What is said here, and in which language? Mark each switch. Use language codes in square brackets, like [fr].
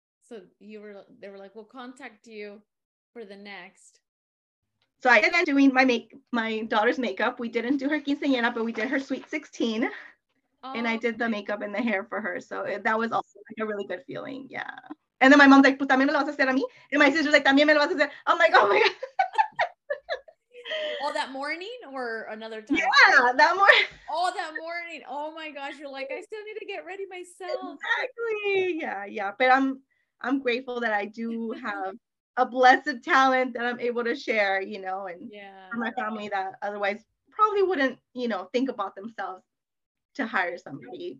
[en] So they were like, we'll contact you for the next. So I ended up doing my daughter's makeup. We didn't do her quinceañera, but we did her sweet 16. And I did the makeup and the hair for her. So that was also like a really good feeling. Yeah. And then my mom's like, [es] pues también me lo vas a hacer a mí. [en] And my sister's like, [es] también me lo vas a hacer. [en] I'm like, oh my God. Oh, that morning or another time? Yeah, that morning. Oh, that morning. Oh my gosh, you're like, I still need to get ready myself. Exactly. Yeah. But I'm grateful that I do have a blessed talent that I'm able to share, you know, and for my family that otherwise probably wouldn't, you know, think about themselves to hire somebody.